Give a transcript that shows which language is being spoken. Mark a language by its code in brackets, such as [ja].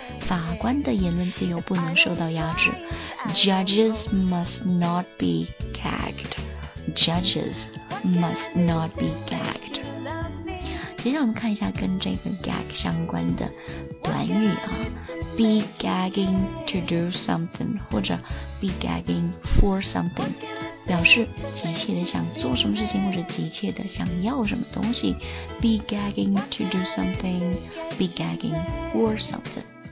[zh] 法官的言论自由不能受到压制。 [en] Judges must not be gagged. Judges must not be gagged. [zh] 接下来我们看一下跟这个 gag 相关的短语啊。 [en] Be gagging to do something [zh] 或者 [en] be gagging for something [zh] 表示急切的想做什么事情或者急切的想要什么东西 [en] Be gagging to do something Be gagging for something